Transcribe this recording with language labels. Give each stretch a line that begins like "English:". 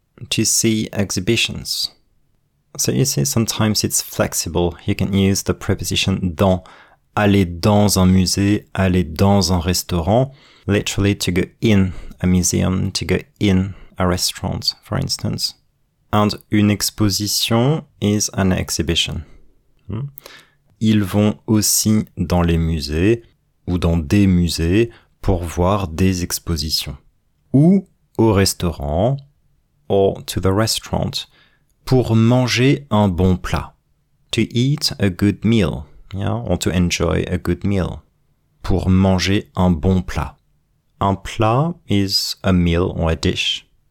English: To see exhibitions. So you see, sometimes it's flexible. You can use the preposition dans.
French: Aller dans un musée, aller dans un restaurant.
English: Literally, to go in a museum, to go in a restaurant, for instance. And une exposition is an exhibition.
French: Ils vont aussi dans les musées ou dans des musées pour voir des expositions. Ou au restaurant,
English: or to the restaurant,
French: pour manger un bon plat.
English: To eat a good meal, or to enjoy a good meal.
French: Pour manger un bon plat. Un plat
English: is a meal or a dish.